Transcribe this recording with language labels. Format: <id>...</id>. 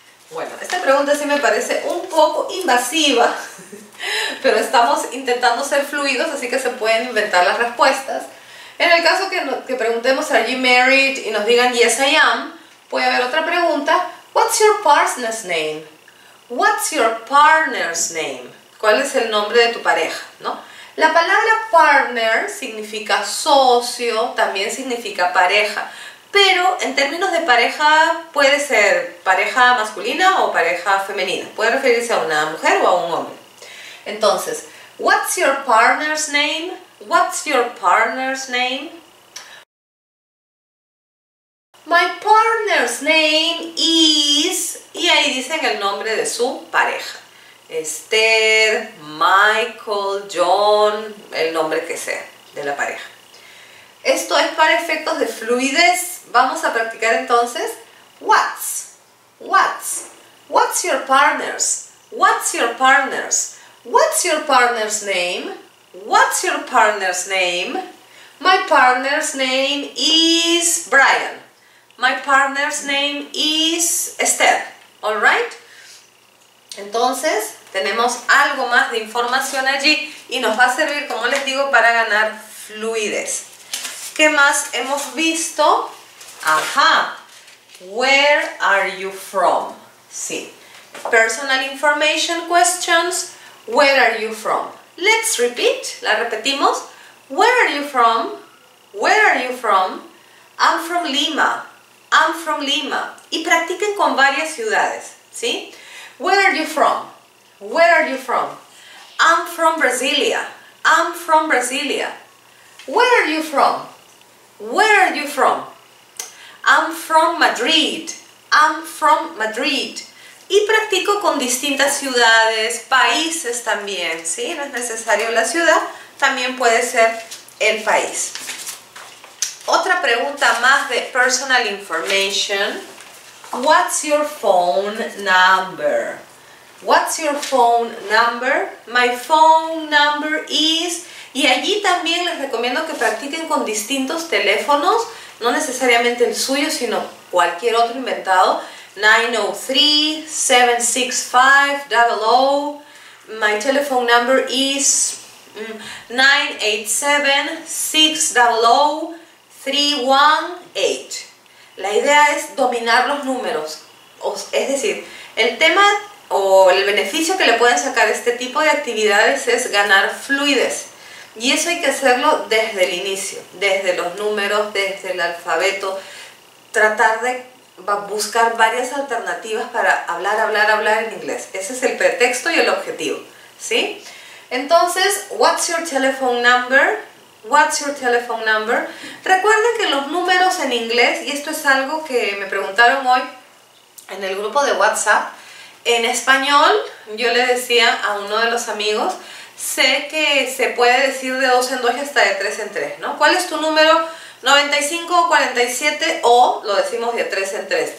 <es>Bueno, esta pregunta sí me parece un poco invasiva, pero estamos intentando ser fluidos, así que se pueden inventar las respuestas. En el caso que preguntemos,</es> <en>are you married?</en> <es>Y nos digan,</es> <en>yes, I am,</en> <es>puede haber otra pregunta.</es> <en>What's your partner's name? What's your partner's name?</en> <es>¿Cuál es el nombre de tu pareja? ¿No? La palabra partner significa socio, también significa pareja. Pero en términos de pareja, puede ser pareja masculina o pareja femenina. Puede referirse a una mujer o a un hombre.</es> <en>Entonces, what's your partner's name? What's your partner's name? My partner's name is...</en> <es>Y ahí dicen el nombre de su pareja. Esther, Michael, John, el nombre que sea de la pareja. Esto es para efectos de fluidez. Vamos a practicar entonces.</es> <en>What's? What's? What's your partner's? What's your partner's? What's your partner's name? What's your partner's name? My partner's name is Brian. My partner's name is Esther, all right?</en> <es>Entonces, tenemos algo más de información allí y nos va a servir, como les digo, para ganar fluidez. ¿Qué más hemos visto? Ajá,</es> <en>where are you from? Sí, personal information questions, where are you from? Let's repeat,</en> <es>la repetimos.</es> <en>Where are you from? Where are you from? I'm from Lima. I'm from Lima.</en> <es>Y practiquen con varias ciudades, ¿sí?</es> <en>Where are you from? Where are you from? I'm from Brasilia. I'm from Brasilia. Where are you from? Where are you from? I'm from Madrid. I'm from Madrid.</en> <es>Y practico con distintas ciudades, países también, ¿sí? No es necesario la ciudad, también puede ser el país. Otra pregunta más de personal information.</es> <en>What's your phone number? What's your phone number? My phone number is...</en> <es>Y allí también les recomiendo que practiquen con distintos teléfonos, no necesariamente el suyo, sino cualquier otro inventado.</es> <en>903-765-00. My telephone number is 987-600-318.</en> <es>La idea es dominar los números. Es decir, el tema o el beneficio que le pueden sacar este tipo de actividades es ganar fluidez. Y eso hay que hacerlo desde el inicio, desde los números, desde el alfabeto. Tratar de va a buscar varias alternativas para hablar, hablar, hablar en inglés. Ese es el pretexto y el objetivo, ¿sí?</es> <en>Entonces, what's your telephone number? What's your telephone number?</en> <es>Recuerden que los números en inglés, y esto es algo que me preguntaron hoy en el grupo de WhatsApp, en español yo le decía a uno de los amigos, sé que se puede decir de 2 en 2 y hasta de 3 en 3, ¿no? ¿Cuál es tu número? 95, 47 o lo decimos de 3 en 3.</es>